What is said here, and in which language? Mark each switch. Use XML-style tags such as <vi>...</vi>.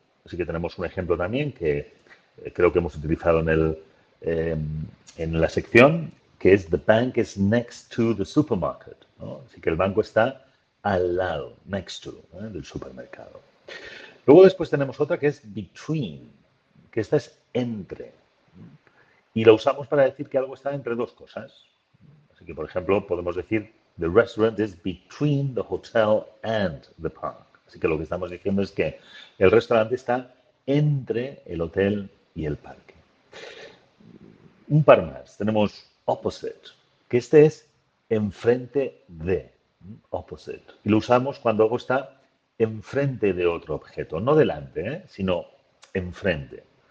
<es>Así que tenemos un ejemplo también que creo que hemos utilizado en la sección, que es</es> <en>the bank is next to the supermarket,</en> <es>¿no? Así que el banco está al lado, next to, ¿eh?, del supermercado. Luego después tenemos otra que es between, que esta es entre. Y la usamos para decir que algo está entre dos cosas. Así que, por ejemplo, podemos decir</es> <en>The restaurant is between the hotel and the park.</en> <es>Así que lo que estamos diciendo es que el restaurante está entre el hotel y el parque. Un par más. Tenemos opposite, que este es enfrente de, opposite. Y lo usamos cuando algo está enfrente de otro objeto, no delante, sino enfrente.</es>